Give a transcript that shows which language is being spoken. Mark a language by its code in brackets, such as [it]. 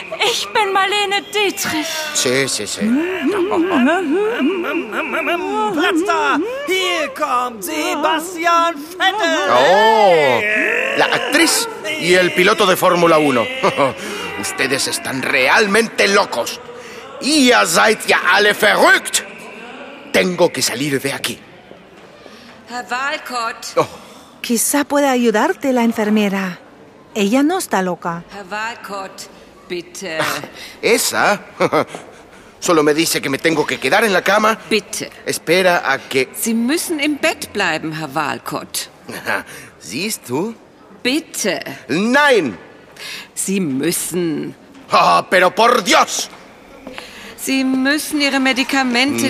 [de] Ich bin Marlene Dietrich. Tschüss. Platz da. Hier kommt Sebastian Vettel. [es] Oh, la actriz y el piloto de Fórmula 1. Ustedes están realmente locos. [de] Ihr seid ja alle verrückt. [es] Tengo que salir de aquí. [de] Herr Walcott. [es] Quizá pueda ayudarte la enfermera. Ella no está loca. [de] Herr Walcott. Bitte. [es] ¿Esa? Solo me dice que me tengo que quedar en la cama. [de] Bitte. [es] Espera a que... [de] Sie müssen im Bett bleiben, Herr Walcott. ¿Siehst du? Bitte. ¡Nein! Sie müssen... [es] ¡Oh, pero por Dios! [de] Sie müssen Ihre Medikamente